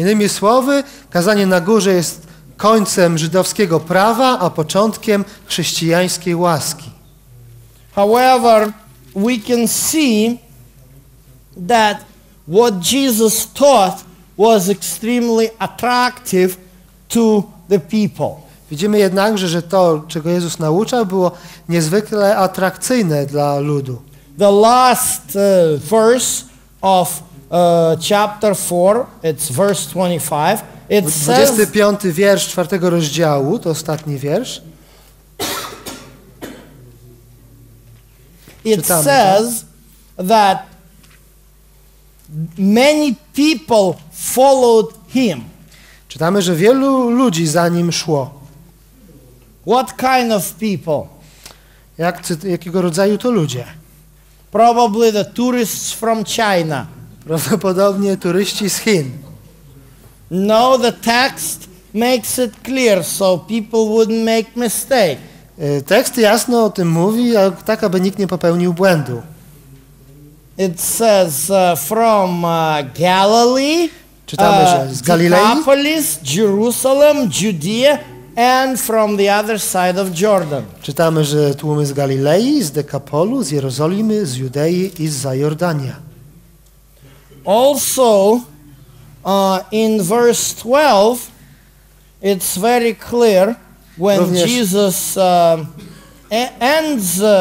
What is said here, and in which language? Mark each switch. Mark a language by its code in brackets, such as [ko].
[pl] Innymi słowy, kazanie na górze jest końcem żydowskiego prawa, a początkiem chrześcijańskiej łaski. [en] However, we can see that what Jesus taught was extremely attractive to the people. [pl] Widzimy jednakże, że to, czego Jezus nauczał, było niezwykle atrakcyjne dla ludu. [en] the last verse of chapter 4, it's verse 25. [pl] 25 wiersz czwartego rozdziału, to ostatni wiersz. [en] It says that many people followed him. [pl] Czytamy, że wielu ludzi za nim szło. [en] What kind of people? [pl] Jakiego rodzaju to ludzie? [en] Probably the tourists from China. [pl] Prawdopodobnie turyści z Chin. [en] No, the text makes it clear, so people wouldn't make mistake. [pl] Tekst jasno o tym mówi, tak aby nikt nie popełnił błędu. [en] It says from Galilee. [pl] Czytamy, że z Galilei. [en] Decapolis, Jerusalem, Judea, and from the other side of Jordan. [pl] Czytamy, że tłumy z Galilei, z Dekapolu, z Jerozolimy, z Judei i zza Jordania. [en] Also, in verse 12, it's very clear when [pl] również [en] Jesus ends.